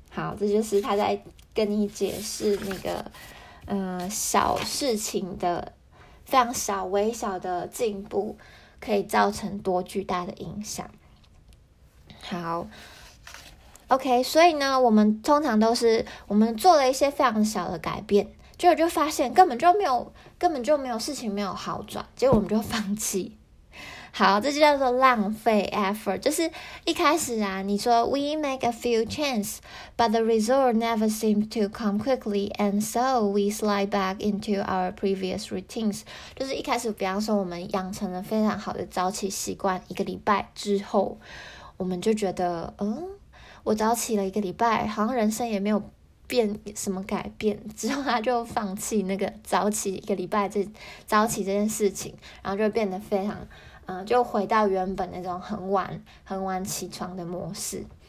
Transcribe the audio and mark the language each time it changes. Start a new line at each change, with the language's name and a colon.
Chinese: 好，这就是他在跟你解释那个小事情的非常小微小的进步可以造成多巨大的影响。好 ，OK， 所以呢，我们通常都是我们做了一些非常小的改变，结果就发现根本就没有事情没有好转，结果我们就放弃。好，这就叫做浪费 effort， 就是一开始啊，你说
English: we make a few changes， but the result never seems to come quickly， and so we slide back into our previous routines。
Chinese: 就是一开始，比方说我们养成了非常好的早起习惯，一个礼拜之后，我们就觉得，我早起了一个礼拜，好像人生也没有变什么改变，之后他就放弃那个早起一个礼拜这早起这件事情，然后就变得非常就回到原本那种很晚起床的模式。